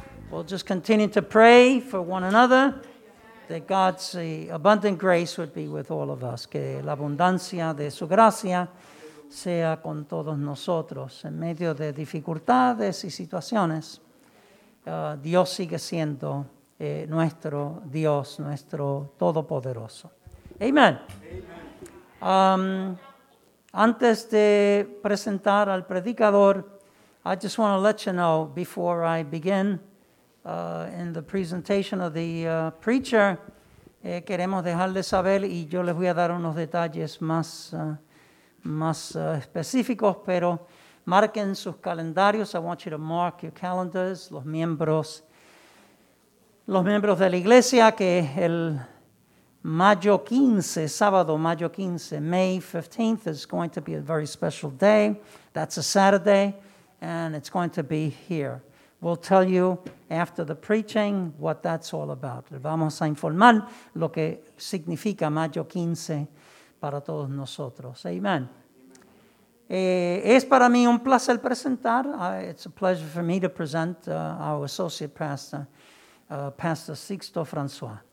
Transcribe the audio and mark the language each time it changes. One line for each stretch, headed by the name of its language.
English: We'll just continue to pray for one another, that God's abundant grace would be with all of us.
Spanish: Que la abundancia de su gracia sea con todos nosotros. En medio de dificultades y situaciones, Dios sigue siendo nuestro Dios, nuestro Todopoderoso. Amen. Antes de presentar al predicador,
English: I just want to let you know before I begin in the presentation of the preacher,
Spanish: queremos dejarles saber y yo les voy a dar unos detalles más específicos, pero marquen sus calendarios.
English: I want you to mark your calendars,
Spanish: los miembros de la iglesia, que el sábado mayo 15,
English: May 15th is going to be a very special day. That's a Saturday. And it's going to be here. We'll tell you after the preaching what that's all about.
Spanish: Vamos a informar lo que significa mayo 15 para todos nosotros. Amen. Es para mí un placer presentar.
English: It's a pleasure for me to present our associate pastor, Pastor Sixto François.